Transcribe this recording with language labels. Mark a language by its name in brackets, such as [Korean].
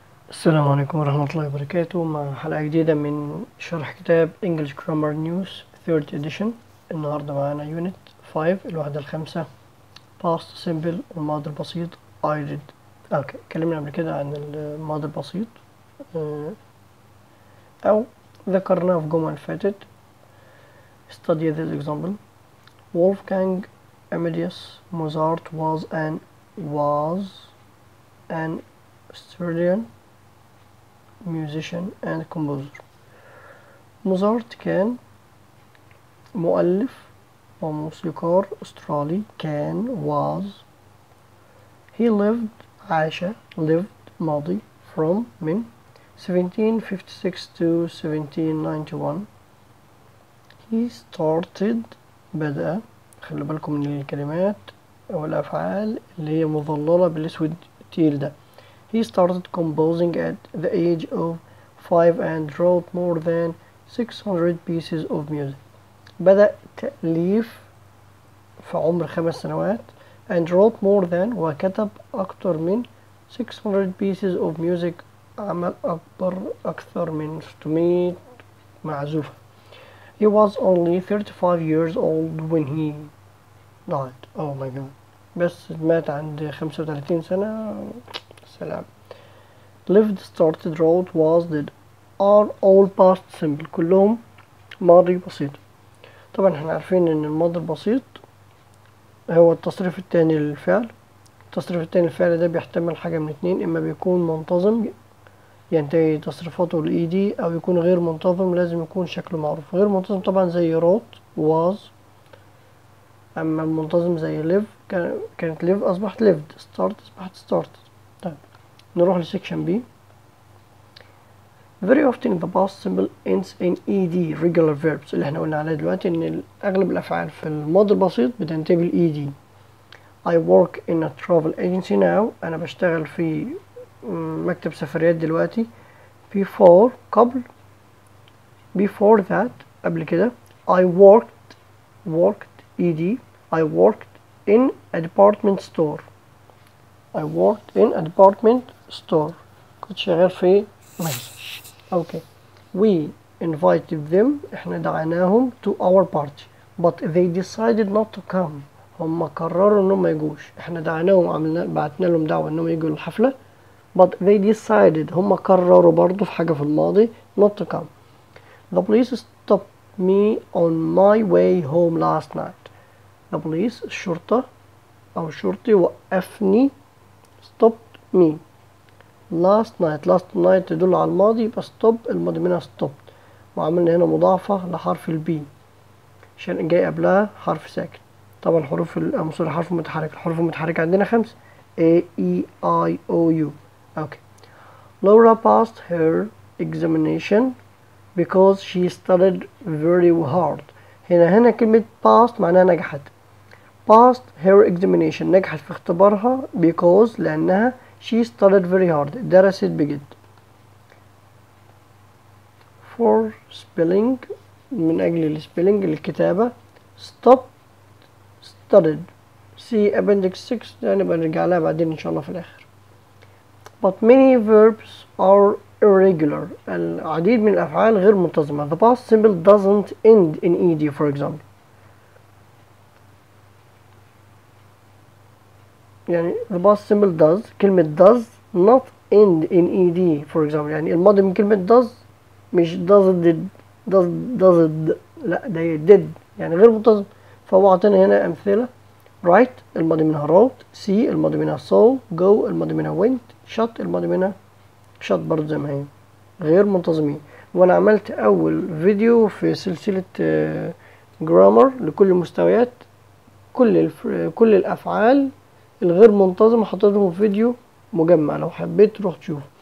[Arabic] السلام عليكم ورحمة الله وبركاته، مع حلقة جديدة من شرح كتاب English Grammar News 3rd Edition. النهاردة معانا Unit 5، الوحدة الخامسة، Past Simple، الماضي البسيط، [English] I did. [Arabic] اوكي، اتكلمنا قبل كده عن الماضي البسيط، أو ذكرناه في الجمعة اللي فاتت. [English] Study this example. Wolfgang Amadeus Mozart was an Austrian musician and composer. [Arabic] موزارت كان مؤلف وموسيقار أسترالي. كان [English] was he lived [Arabic] عاش [English] lived [Arabic] ماضي [English] from [Arabic] من [English] 1756 to 1791. He started [Arabic] بدأ. خلوا بالكم من الكلمات والأفعال اللي هي مظللة بالأسود تيل ده. [English] He started composing at the age of 5 and wrote more than 600 pieces of music. [Arabic] بدأ تأليف في عمر 5 سنوات [English] and wrote more than [Arabic] وكتب أكثر من 600 [English] pieces of music. [Arabic] عمل أكثر من 600 معزوفة. [English] He was only 35 years old when he died. Oh my god. [Arabic] بس مات عند 35 سنة. سلام. [English] Lived, started, wrote, was, did are all past simple. [Arabic] كلهم ماضي بسيط. طبعا احنا عارفين ان الماضي البسيط هو التصريف الثاني للفعل. التصريف الثاني للفعل ده بيحتمل حاجة من اتنين، اما بيكون منتظم ينتهي تصريفاته الايدي، او يكون غير منتظم لازم يكون شكله معروف. غير منتظم طبعا زي wrote, was، اما المنتظم زي live، كانت live اصبحت lived، start اصبحت started. نروح لسكشن بي. [English] Very often the past simple ends in ed regular verbs. [Arabic] اللي احنا قلنا عليه دلوقتي ان اغلب الافعال في الماضي البسيط بتنتهي بال ed. [English] I work in a travel agency now. [Arabic] انا بشتغل في مكتب سفريات دلوقتي. Before، قبل. [English] Before that، [Arabic] قبل كده. [English] I worked ed. I worked in a department store. I worked in a department store. [Arabic] كنت شغال في مجلس. [English] Okay. We invited them. [Arabic] احنا دعناهم [English] to our party. But they decided not to come. [Arabic] هم قرروا انهم ما يجوش. احنا دعناهم عملنا بعتنا لهم دعوة انهم يجوا الحفلة. [English] But they decided. [Arabic] هم قرروا برضو في حاجة في الماضي. [English] Not to come. The police stopped me on my way home last night. The police. [Arabic] الشرطة. او الشرطي وقفني. [English] Stopped me. Last night. [Arabic] Last night تدل على الماضي، يبقى stop الماضي منها stopped، وعملنا هنا مضافة لحرف البي عشان جاي قبلها حرف ساكن. طبعا حروف الأمصول حرف متحرك. الحروف المتحركة عندنا 5: A E I O U. Okay. [English] Laura passed her examination because she studied very hard. [Arabic] هنا كلمة passed معناها نجحت. [English] Passed her examination. [Arabic] نجحت في اختبارها. [English] Because [Arabic] لأنها [English] she studied very hard. [Arabic] درست بجد. [English] For spelling. [Arabic] من أجل spelling الكتابة. [English] Stop. Studied. See appendix 6. [Arabic] يعني بنرجع لها بعدين إن شاء الله في الآخر. [English] But many verbs are irregular. [Arabic] العديد من الأفعال غير منتظمة. [English] The past simple doesn't end in ed for example. [Arabic] يعني [English] the past simple does، كلمة does not end in ed for example. [Arabic] يعني الماضي من كلمة does مش does did does does did. لا ده did يعني غير منتظم. فهو عطينا هنا أمثلة: write الماضي منها wrote، see الماضي منها saw، go الماضي منها went، shut الماضي منها shut برضه زي ما هي غير منتظمين. وأنا عملت أول فيديو في سلسلة grammar لكل المستويات، كل الأفعال الغير منتظم حطيتهم في فيديو مجمع، لو حبيت روح تشوف.